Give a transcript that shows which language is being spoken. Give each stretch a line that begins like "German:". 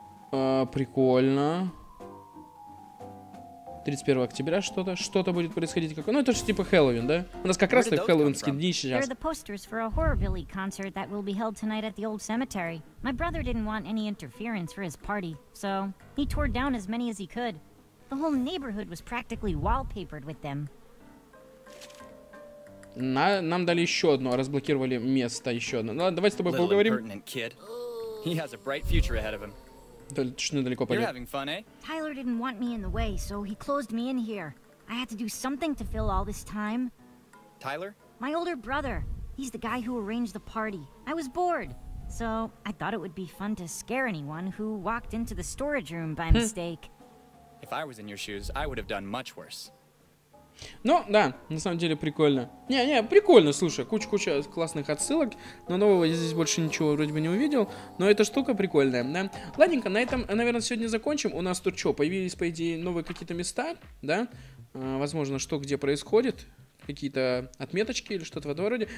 Russian: Прикольно. 31 октября что-то. Что-то будет происходить. Ну, это же типа Хэллоуин, да? У нас как раз это хэллоуинские дни сейчас. Это постеры для хоррор-билли-концерта, который будет проведен сегодня в старом цементаре. Мой брат не хотел никакой интерференции для его партии, так он тор
English: down as many as he could. The whole neighborhood was practically wallpapered with them.
Russian: Нам дали еще одно, разблокировали место еще одно. Ну, давай с тобой поговорим.
English: He has a bright future ahead of him. You're having fun, eh? Tyler didn't want me in the way, so he closed me in here. I had to do something to fill all this time. Tyler? My older brother. He's the guy who arranged the party. I was bored, so I thought it would be fun to scare anyone who walked into the storage room by mistake. If I was in your shoes, I would have done much worse.
Russian: Ну, да, на самом деле прикольно. Не, прикольно, слушай, куча-куча классных отсылок. Но нового я здесь больше ничего вроде бы не увидел. Но эта штука прикольная, да? Ладненько, на этом, наверное, сегодня закончим. У нас тут что, появились, по идее, новые какие-то места, да? Возможно, что где происходит. Какие-то отметочки или что-то в этом роде.